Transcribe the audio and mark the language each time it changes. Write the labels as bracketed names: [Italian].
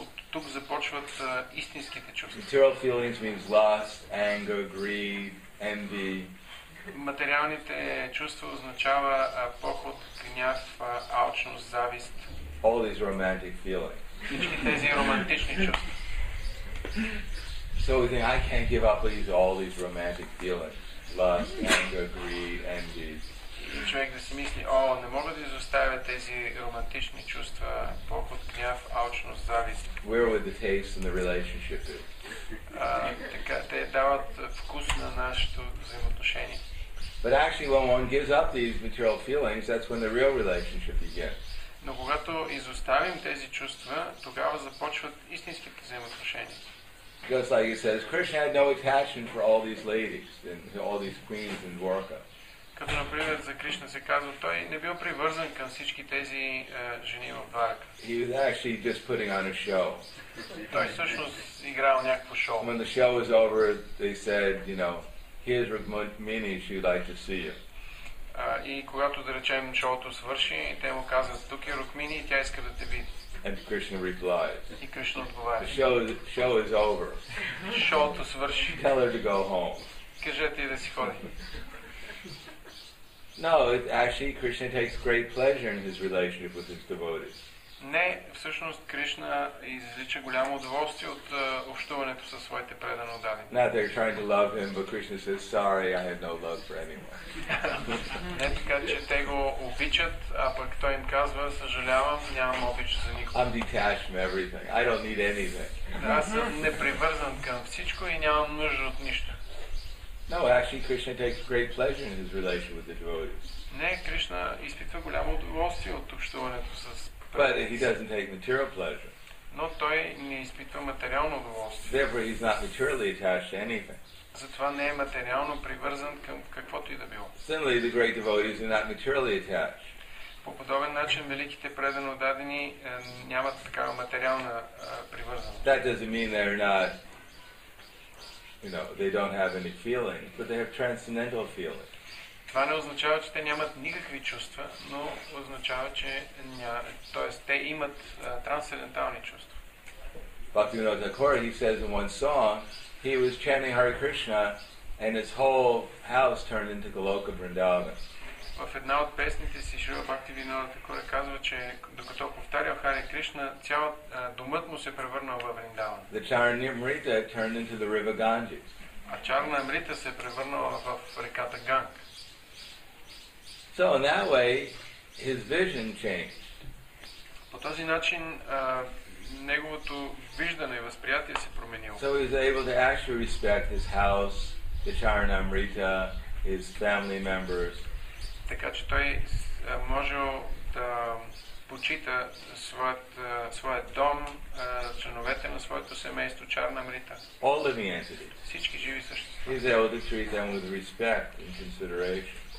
[Bulgarian] Тук започват истинските чувства. [English] Material feelings means lust, anger, greed, envy. [Bulgarian] Материалните чувства означава поход, гняв, алчност, завист. [English] All these romantic feelings. [Bulgarian] Всички тези романтични чувства. [English] So we think, I can't give up all these romantic feelings. Lust, anger, greed, envy. [Bulgarian] И човек да си мисли, о, не мога да изоставя тези романтични чувства, поход, гняв, алчност, завист. [English] Where would the taste and the relationship be? [Bulgarian] Така, те дават вкус на нашето взаимоотношение. [English] But actually, when one gives up these material feelings, that's when the real relationship begins. [Bulgarian] Но когато изоставим тези чувства, тогава започват истинските взаимоотношения. [English] Just like he says, Krishna had no attachment for all these ladies and all these queens in Dwarka. [Bulgarian] Като например за Кришна се казва, той не бил привързан към всички тези жени в Дварка. [English] He was actually just putting on a show. [Bulgarian] Той всъщност играл някакво шоу. [English] When the show was over, they said, you know, here's Rukmini, she'd like to see you. [Bulgarian] И когато да речем шоуто свърши, те му казват, тук е Рукмини, тя иска да те види. [English] And Krishna replies. [Bulgarian] И Кришна отговаря. [English] The show is over. [Bulgarian] Шоуто свърши. [English] Tell her to go home. [Bulgarian] Кажете й да си ходи. [English] No, it, actually Krishna takes great pleasure in his relationship with his devotees. [Bulgarian] Не, всъщност Кришна излича голямо удоволствие от общуването със своите предано дали. [English] Now they're trying to love him, but Krishna says, "Sorry, I have no love for anyone." [Bulgarian] Не, така че те го обичат, а пък той им казва, съжалявам, нямам обич за никого. [English] I'm detached from everything. I don't need anything. [Bulgarian] Аз съм непривързан към всичко и нямам нужда от нищо. [English] No, actually Krishna takes great pleasure in his relationship with the devotees. [Bulgarian] Не, Кришна изпитва голямо удоволствие от общуването с. [English] But he doesn't take material pleasure. [Bulgarian] Но той не изпитва материално удоволствие. [English] Therefore, he's not materially attached to anything. [Bulgarian] Затова не е материално привързан към каквото и да било. [English] Similarly, the great devotees are not materially attached. [Bulgarian] По подобен начин великите предано дадени нямат такава материална привързаност. [English] That doesn't mean they're not, you know, they don't have any feeling, but they have transcendental feeling. [Bulgarian] Това не означава, че те нямат никакви чувства, но означава, че те имат трансцендентални чувства. [English] Бхактивинода Такора, he says in one song, he was chanting Hare Krishna and his whole house turned into Goloka Vrindavan. [Bulgarian] В една от песните си Шрила Бхактивинода Такора казва, че докато повтарял Хари Кришна, цял домът му се превърнал в Вриндаван. [English] The Чарнамрита turned into the river Ganges. [Bulgarian] А Чарнамрита се превърнала в реката Ганг. [English] So in that way, his vision changed. [Bulgarian] По този начин неговото виждане и възприятие се променило. [English] So he was able to actually respect his house, the Charanamrita, his family members. [Bulgarian] Така че той можел да почита своят дом, членовете на своето семейство, Чарнамрита. [English] All living entities. [Bulgarian] Всички живи същества. [English] He was able to treat them with respect and consideration.